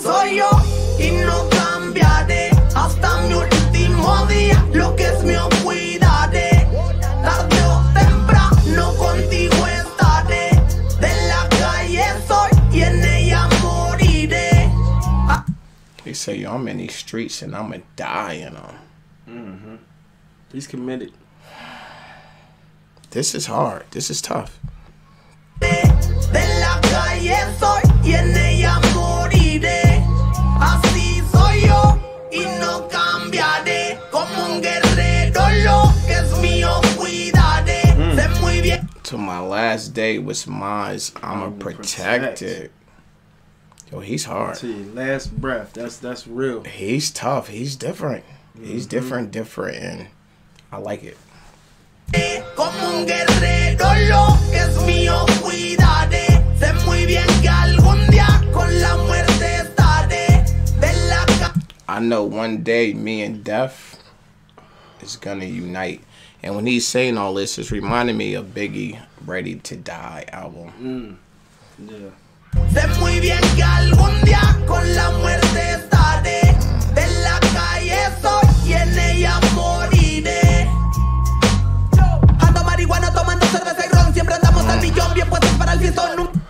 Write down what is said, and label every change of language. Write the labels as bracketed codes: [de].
[es] Soy yo y no cambiaré hasta mi último día. Lo que es mío cuidaré. Tarde o temprano contigo estaré. De la calle soy y en ella moriré. [en] They say, yo, I'm in these streets and I'ma die in them. Mm-hmm. He's committed. This is hard. This is tough. To my last day with Mize, I'ma protect it. Yo, he's hard. See, last breath. That's real. He's tough. He's different. Mm-hmm. He's different, different, and I like it. [es] Como un guerrero, lo que es mío, cuidaré. Sé muy bien que algún día con la muerte estaré. [en] De la ca- I know one day me and death is gonna unite. And when he's saying all this, it's reminding me of Biggie, Ready to Die album. Mm. Yeah. [es] Sé muy bien que algún día con la muerte estaré. De la calle soy y en ella moriré. Ando marihuana tomando cerveza y ron. Siempre andamos al millón bien puestos para el fiestón.